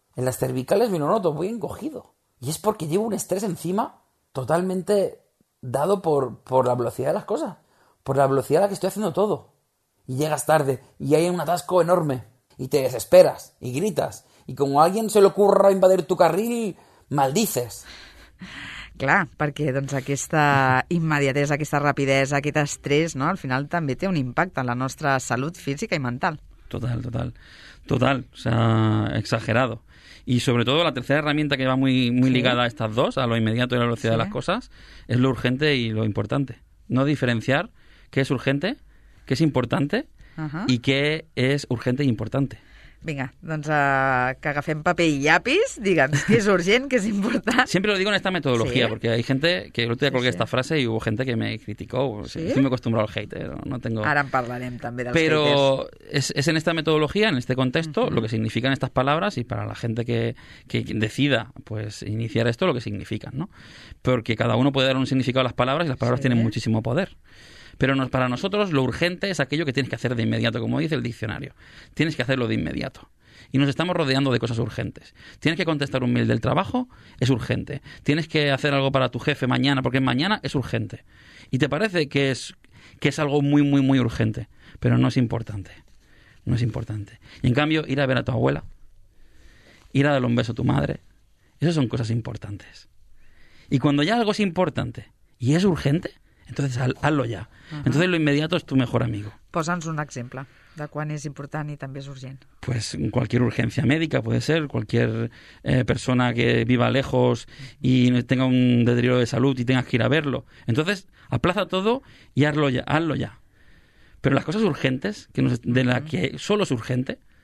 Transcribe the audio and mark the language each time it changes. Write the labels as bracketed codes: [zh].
[es] En las cervicales me lo noto, voy encogido. Y es porque llevo un estrés encima totalmente dado por la velocidad de las cosas, por la velocidad a la que estoy haciendo todo. Y llegas tarde y hay un atasco enorme y te desesperas y gritas. Y como a alguien se le ocurra invadir tu carril, maldices. [ca] Clar, perquè doncs, aquesta immediatesa, aquesta rapidesa, aquest estrès, no, al final també té un impacte en la nostra salut física i mental. [es] Total, total. Total, o sea, exagerado. Y sobre todo la tercera herramienta que va muy, muy ligada a estas dos, a lo inmediato y a la velocidad de las cosas, es lo urgente y lo importante. No diferenciar qué es urgente, qué es importante y qué es urgente e importante. [ca] Vinga, doncs que agafem paper i llapis, digue'ns què és urgent, què és important. [es] Siempre lo digo en esta metodología, sí, porque hay gente que el otro día colgué esta frase y hubo gente que me criticó. Sí. Estoy muy acostumbrado al hater, no tengo... [ca] Ara en parlarem també dels [es] Pero [en] haters. [es] Pero es en esta metodología, en este contexto, lo que significan estas palabras y para la gente que decida pues iniciar esto, lo que significan, ¿no? Porque cada uno puede dar un significado a las palabras y las palabras tienen muchísimo poder. Pero para nosotros lo urgente es aquello que tienes que hacer de inmediato, como dice el diccionario. Tienes que hacerlo de inmediato. Y nos estamos rodeando de cosas urgentes. Tienes que contestar un mail del trabajo, es urgente. Tienes que hacer algo para tu jefe mañana, porque mañana es urgente. Y te parece que es algo muy, muy, muy urgente. Pero no es importante. No es importante. Y en cambio, ir a ver a tu abuela, ir a darle un beso a tu madre, esas son cosas importantes. Y cuando ya algo es importante y es urgente, entonces hazlo ya. Entonces lo inmediato es tu mejor amigo. [ca] Posa'ns un exemple de quan és important i també és urgent. [es] Pues cualquier urgencia médica puede ser, cualquier persona que viva lejos y tenga un deterioro de salud y tengas que ir a verlo. Entonces aplaza todo y hazlo ya. Pero las cosas urgentes, que no es, de la que solo es urgente,